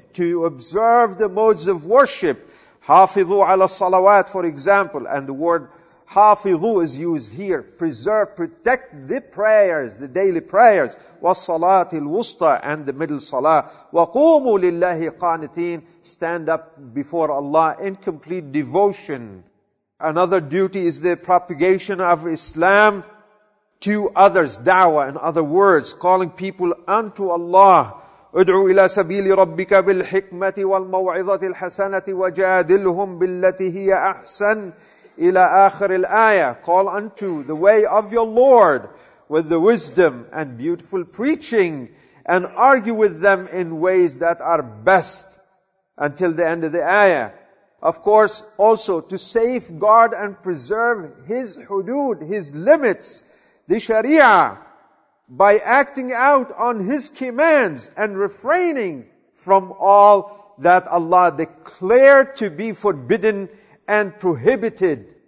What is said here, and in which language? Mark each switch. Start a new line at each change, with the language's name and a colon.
English: To observe the modes of worship,
Arabic: حافظوا على الصلوات,
English: for example, and the word حافظوا is used here, preserve, protect the prayers, the daily prayers,
Arabic: والصلاة الوسطى,
English: and the middle salah,
Arabic: وقوموا لله قانتين,
English: stand up before Allah in complete devotion. Another duty is the propagation of Islam to others, da'wah, in other words, calling people unto Allah.
Arabic: ادعوا إلى سبيل ربك بالحكمة والموعظة الحسنة وجادلهم بالتي هي أحسن إلى آخر الآية.
English: Call unto the way of your Lord with the wisdom and beautiful preaching, and argue with them in ways that are best, until the end of the ayah. Of course, also to safeguard and preserve His hudud, His limits, the sharia, by acting out on His commands and refraining from all that Allah declared to be forbidden and prohibited.